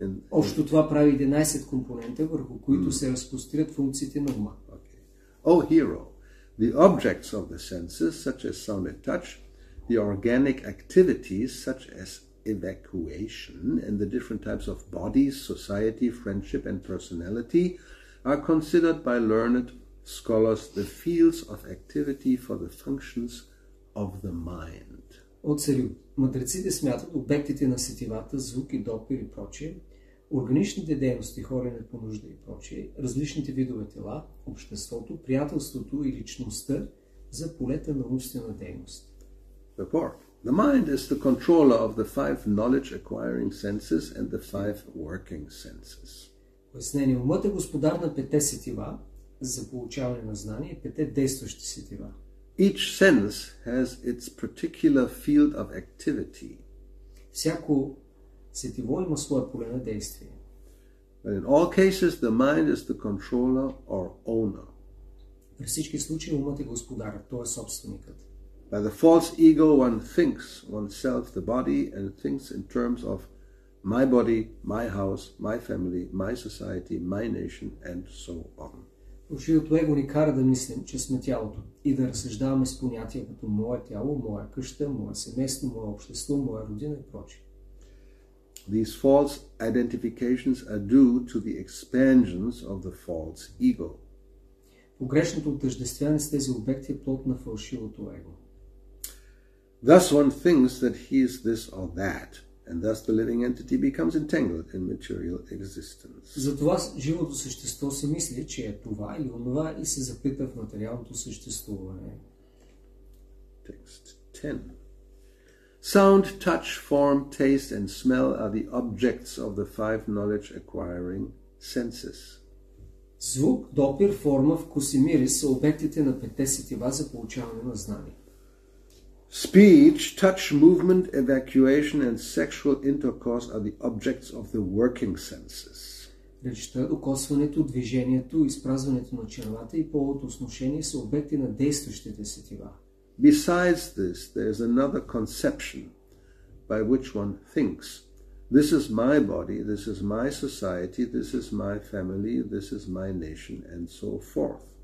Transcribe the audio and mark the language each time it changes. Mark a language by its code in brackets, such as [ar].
[bg] Общо това прави 11 компонента, върху които се разпростират функциите на ума. [en] Okay. Oh, hero. The objects of the senses, such as sound and touch, the organic activities, such as evacuation, and the different types of bodies, society, friendship, and personality, are considered by learned scholars the fields of activity for the functions of the mind. [bg] Мъдреците смятат обектите на сетивата, звук и допир и прочие, органичните дейности, хорене по нужда и прочие, различните видове тела, обществото, приятелството и личността за полета на умствена дейност. [en] The mind is the controller of the five knowledge acquiring senses and the five working senses. [bg] Пояснение. Умът е господар на пете сетива за получаване на знания, пете действащи сетива. [en] Each sense has its particular field of activity. [bg] Всяко сетиво има своя поле на действие. [en] But in all cases, the mind is the controller or owner. [bg] При всички случаи умът е господар, той е собственикът. [en] By the false ego, one thinks oneself the body and thinks in terms of my body, my house, my family, my society, my nation, and so on. [bg] Фалшивото его ни кара да мислим, че сме тялото и да разсъждаваме с понятия като мое тяло, моя къща, мое семейство, мое общество, моя родина и прочие. [en] These false identifications are due to the expansions of the false ego. [bg] Погрешното отъждествяване с тези обекти е плод на фалшивото его. [en] Thus one thinks that he is this or that. And thus the living entity becomes entangled in material existence. [bg] Затова живото същество си мисли, че е това или онова и се запита в материалното съществуване. [en] Text 10. Sound, touch, form, taste and smell are the objects of the five knowledge acquiring senses. [bg] Звук, допир, форма, вкус и мирис са обектите на петте сетива за получаване на знания. [en] Speech, touch, movement, evacuation and sexual intercourse are the objects of the working senses. [bg] Речта, докосването, движението, изпразването на червата и половото осношение са обекти на действащите сетива. [en] Besides this, there is another conception by which one thinks. This is my body, this is my society, this is my family, this is my nation and so forth.